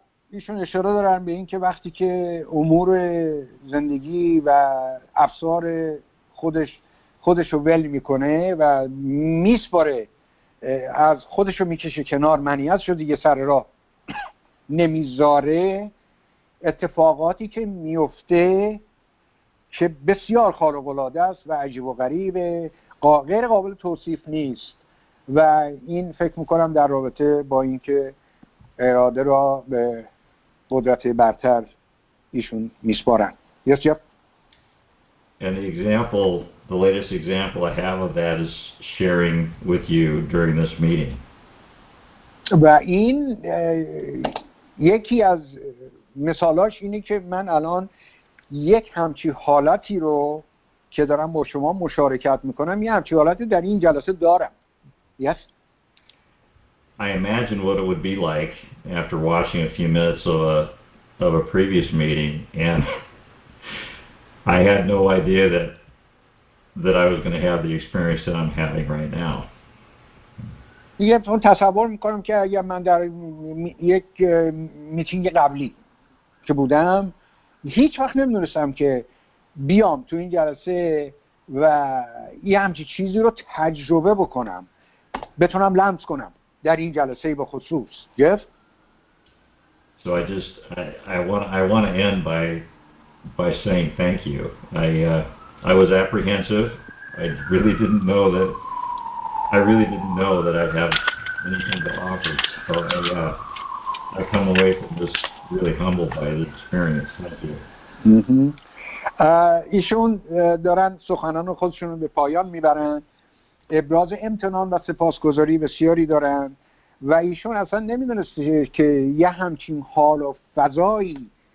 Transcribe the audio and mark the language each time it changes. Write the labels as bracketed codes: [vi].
[fa] ایشون اشاره دارن به این که وقتی که امور زندگی و افسار خودش رو ول میکنه و میسپاره، از خودش رو میکشه کنار، منیتش رو دیگه سر راه نمیذاره، اتفاقاتی که میفته که بسیار خارق‌العاده است و عجیب و غریب، غیر قابل توصیف نیست. و این فکر میکنم در رابطه با اینکه اراده را به قدرت برتر ایشون میسپارن. [en] Yes, yep. And the latest example I have of that is sharing with you during this meeting. [fa] و این یکی از مثالاش اینه که من الان یک همچی حالتی رو که دارم با شما مشارکت میکنم، یه همچی حالتی در این جلسه دارم. [en] Yes. I imagine what it would be like after watching a few minutes of a previous meeting, and I had no idea that I was going to have the experience that I'm having right now. [fa] دیگه تو تصور میکنم که اگر من در یک میتینگ قبلی که بودم، هیچ وقت نمیدونستم که بیام تو این جلسه و یه همچی چیزی رو تجربه بکنم، بتونم لمس کنم در این جلسه به خصوص. جف؟ [en] So I want to end by saying thank you. I was apprehensive. I really didn't know that I have anything to offer. So I come away from this really humbled by the experience. Thank you. [fa] ایشون دارن سخنان خودشون رو به پایان میبرن، ابراز امتنان و سپاسگزاری بسیاری دارن و ایشون اصلا نمیدونسته که یه همچین حال و فضایی